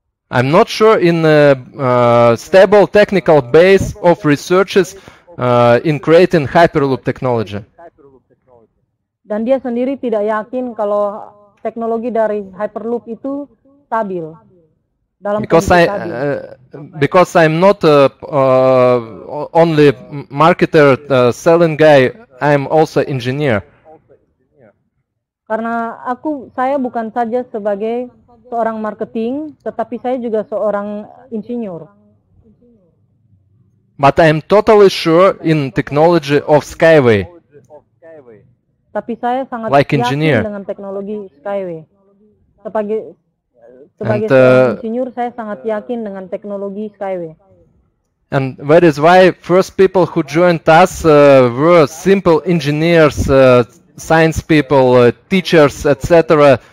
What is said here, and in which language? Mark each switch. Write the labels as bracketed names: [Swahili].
[English] I'm not sure in a stable technical base of researchers in creating Hyperloop technology. [Indonesian] Dan dia sendiri tidak yakin kalau teknologi dari Hyperloop itu stabil dalam [English] because I'm not a only marketer selling guy, I'm also engineer. [Indonesian] Karena saya bukan saja sebagai seorang marketing, tetapi saya juga seorang insinyur. [English] But I'm totally sure in technology of Skyway. [Indonesian] Tapi saya sangat like yakin engineer. Dengan teknologi Skyway. Sebagai insinyur, saya sangat yakin dengan teknologi Skyway. [English] And that is why first people who joined us were simple engineers, science people, teachers, etc.